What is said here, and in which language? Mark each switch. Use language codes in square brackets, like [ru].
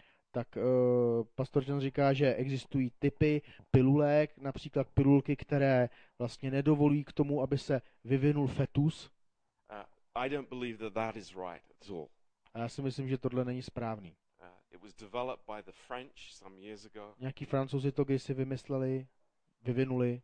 [cs] Tak pastor John říká, že existují typy pilulek, například pilulky, které vlastně nedovolují k tomu, aby se vyvinul fetus. [en] I don't believe that that is right at all. [cs] A já si myslím, že tohle není správný. [en] It was developed by the French some years ago. [cs] Nějaký Francouzi to kdysi vymysleli, vyvinuli.